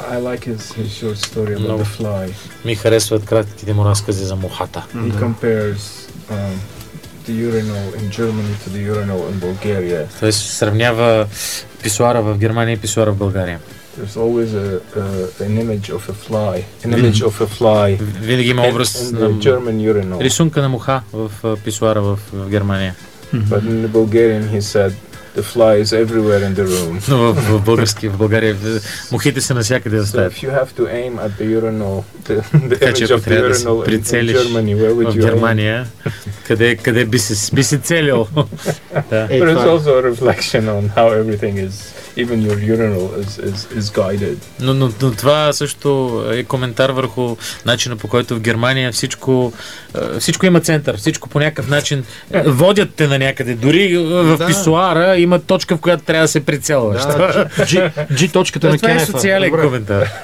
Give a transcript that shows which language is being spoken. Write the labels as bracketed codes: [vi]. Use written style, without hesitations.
[en] I like his short story about the fly. [bg] Ми харесват кратките му разкази за мухата. [en] He compares the urinal in Germany to the urinal in Bulgaria. [bg] Той сравнява писуара в Германия и писуара в България. [en] There's always an image of a fly. An image of a fly. [bg] Винаги има образ на [en] German urinal. [bg] Рисунка на муха в писуара в Германия. [en] But in the Bulgarian he said the fly is everywhere in the room. [bg] Но в български, в България мухите са навсякъде в стаята. [en] If you have to aim at the urinal, the image of the urinal in Germany, where would you aim? [bg] В Германия, къде би се целил? [en] But it's also a reflection on how everything is, even your urinal is guided. [bg] Но това също е коментар върху начина, по който в Германия всичко има център, всичко по някакъв начин водят те на някъде, дори в писсуара има точка, в която трябва да се прицелваш. Да, G точката на кенефа. Това е социален коментар.